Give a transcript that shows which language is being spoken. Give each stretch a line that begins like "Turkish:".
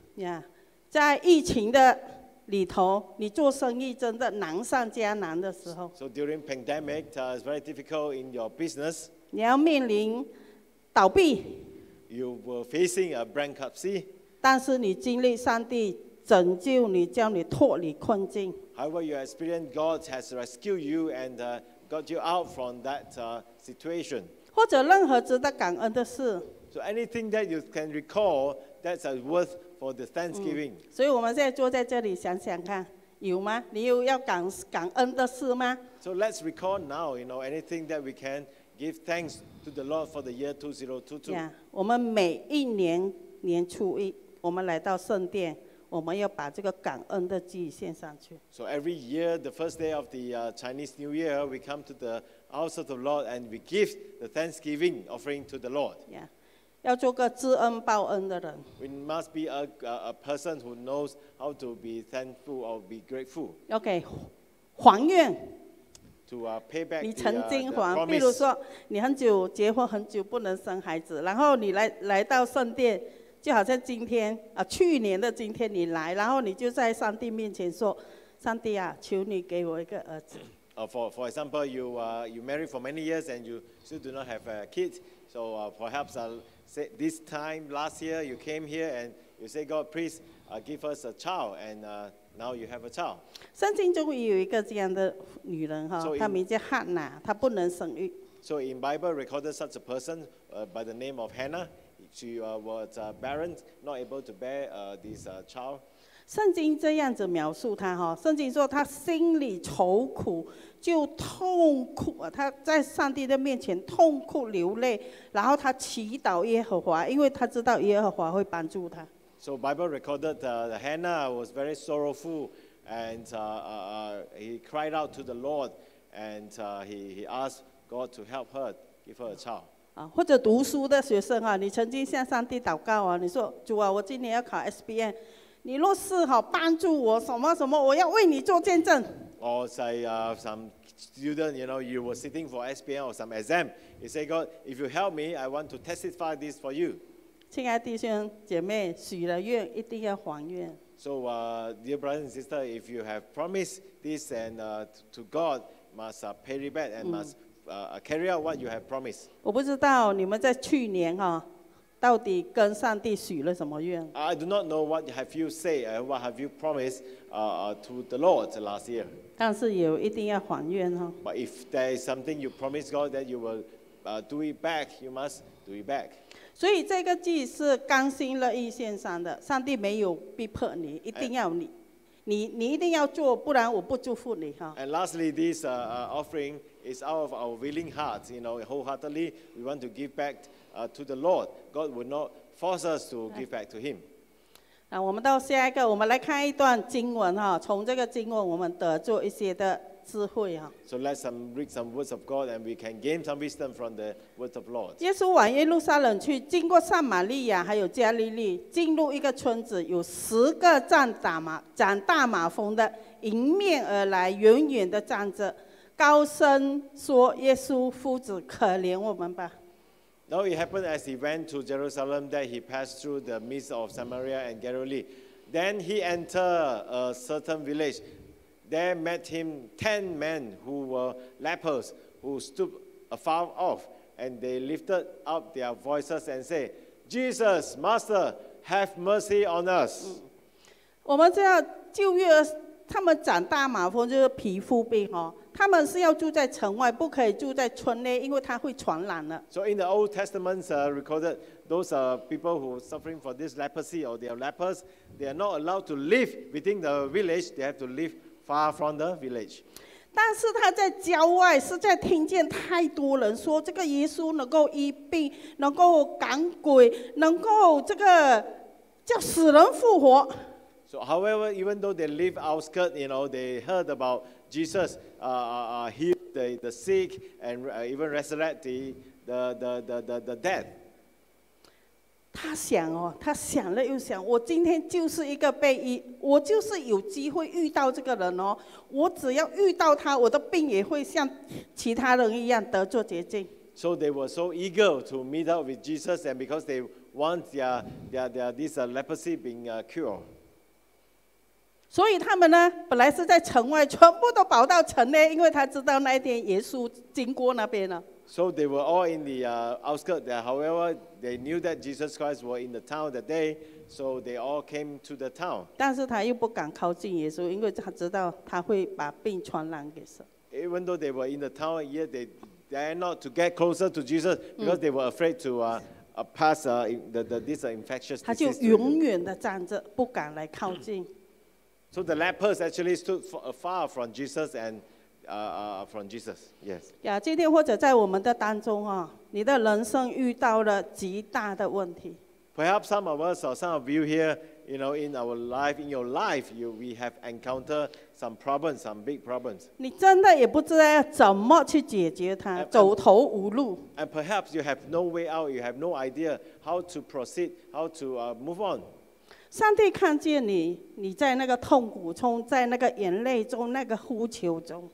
Chinese: Yeah, 在疫情的里头，你做生意真的难上加难的时候。
English: So during pandemic, it's very difficult in your business.
Chinese: 你要面临。倒闭
English: You were facing a bankruptcy.
Chinese: 但是你经历上帝拯救你，叫你脱离困境。
English: However, you experience God has rescued you and got you out from that situation.
Chinese: 或者任何值得感恩的事。
English: So anything that you can recall that's worth for the thanksgiving.
Chinese: 所以我们现在坐在这里想想看，有吗？你有要感恩的事吗？
English: So let's recall now, you know, anything that we can give thanks to the Lord for the year 2022.
Chinese: Yeah, 我们每一年年初一，我们来到圣殿，我们要把这个感恩的祭献上去。
English: So every year, the first day of the Chinese New Year, we come to the house of the Lord and we give the thanksgiving offering to the Lord.
Chinese: Yeah. 要做个知恩报恩的人。
English: We must be a person who knows how to be thankful or be grateful.
Chinese: Okay, 还愿。
English: To pay back.
Chinese: 你曾经还，比如说你很久结婚很久不能生孩子，然后你来到圣殿，就好像今天啊，去年的今天你来，然后你就在上帝面前说，上帝啊，求你给我一个儿子。
English: For example, you married for many years and you still do not have a kid, so perhaps Say this time last year you came here and you say God please give us a child and now you have a child.
Chinese: 圣经中有一个这样的女人哈，她名叫 Hannah， 她不能生育。
English: So in Bible recorded such a person by the name of Hannah, she was barren, not able to bear this child.
Chinese: 圣经这样子描述她哈，圣经说她心里愁苦。就痛哭，他在上帝的面前痛哭流泪，然后他祈祷耶和华，因为他知道耶和华会帮助他。
English: So Bible recorded Hannah was very sorrowful, and he cried out to the Lord, and he asked God to help her, give her a child.
Chinese: 或者读书的学生啊，你曾经向上帝祷告啊，你说主啊，我今年要考 SBN， 你若是好帮助我什么什么，我要为你做见证。
English: Or say some student, you know, you were sitting for SPM or some exam. You say, God, if you help me, I want to testify this for you.
Chinese: 亲爱弟兄姐妹，许了愿一定要还愿。
English: So, dear brothers and sisters, if you have promised this and to God, must pay it back and must carry out what you have promised.
Chinese: 我不知道你们在去年哈，到底跟上帝许了什么愿。
English: I do not know what have you said and what have you promised. To the Lord last year.
Chinese: 但是有一定要还愿哦。
English: But if there is something you promise God that you will do it back, you must do it back.
Chinese: 所以这个祭是甘心乐意献上的，上帝没有逼迫你，一定要你， and, 你一定要做，不然我不祝福你哈。
English: And lastly, this offering is out of our willing hearts. You know, wholeheartedly, we want to give back to the Lord. God will not force us to give back to Him.
Chinese: 那我们到下一个，我们来看一段经文哈，从这个经文我们得做一些的智慧哈。
English: So let's read some words of God and we can gain some wisdom from the words of Lord.
Chinese: 耶稣往耶路撒冷去，经过撒玛利亚还有加利利，进入一个村子，有十个长大麻风的迎面而来，远远的站着，高声说：“耶稣夫子，可怜我们吧。”
English: Now it happened as he went to Jerusalem that he passed through the midst of Samaria and Galilee. Then he entered a certain village. There met him 10 men who were lepers who stood afar off. And they lifted up their voices and said, Jesus, Master, have mercy on us.
Chinese: 我们知道旧约他们长大麻风就是皮肤病哦。他们是要住在城外，不可以住在村内，因为他会传染了。
English: So in the Old Testament, recorded those people who are suffering from this leprosy or they are lepers, they are not allowed to live within the village. They have to live far from the village.
Chinese: 但是他在郊外，实在听见太多人说这个耶稣能够医病，能够赶鬼，能够这个叫死人复活。
English: So, however, even though they live outskirts, you know, they heard aboutJesus healed the sick and even resurrected the dead.
Chinese: 他想哦，他想了又想，我今天就是一个被医，我就是有机会遇到这个人哦。我只要遇到他，我的病也会像其他人一样得做洁净。
English: So they were so eager to meet up with Jesus, and because they want their leprosy being cured.
Chinese: 所以他们呢，本来是在城外，全部都跑到城内，因为他知道那一天耶稣经过那边了。
English: So they were all in the outskirts there. However, they knew that Jesus Christ was in the town that day, so they all came to the town.
Chinese: 但是他又不敢靠近耶稣，因为他知道他会把病传染给谁。
English: Even though they were in the town, yet they dare not to get closer to Jesus because they were afraid to pass this infectious disease.
Chinese: 他就永远的站着，不敢来靠近。
English: So the lepers actually stood far from Jesus and from Jesus. Yes.
Chinese: Yeah, 今天或者在我们的当中啊, 你的人生遇到了极大的问题。
English: Perhaps some of us or some of you here, you know, in our life, in your life, we have encountered some problems, some big problems.
Chinese: 你真的也不知道要怎么去解决它,
English: and,
Chinese: 走投无路。
English: And perhaps you have no way out, you have no idea how to proceed, how to move on.
Chinese: 上帝看见你, 你在那个痛苦中, 在那个眼泪中, 那个呼求中。